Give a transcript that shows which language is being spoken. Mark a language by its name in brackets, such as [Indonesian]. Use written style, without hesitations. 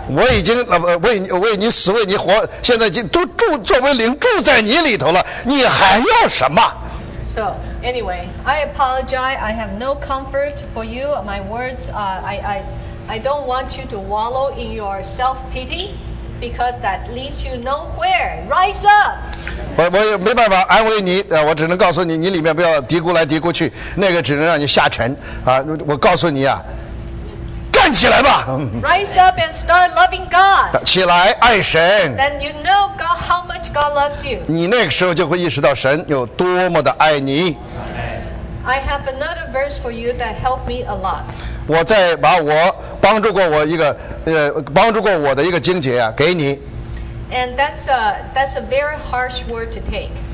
[Chinese] 我已经为你死，为你活，现在都住作为灵住在你里头了，你还要什么？ [English] So anyway, I apologize. I have no comfort for you. My words, I don't want you to wallow in your self-pity, because that leads you nowhere. Rise up. [Chinese] 我也没办法安慰你，我只能告诉你，你里面不要嘀咕来嘀咕去，那个只能让你下沉啊。我告诉你啊，站起来吧。 [English] Rise up and start loving God. [Chinese] 起来爱神。 [English] Then you know God how much God loves you. [Chinese] 你那个时候就会意识到神有多么的爱你。 [English] I have another verse for you that helped me a lot. [Chinese] 我再把我帮助过我一个帮助过我的一个经节啊给你。 [English] And that's a very harsh word to take.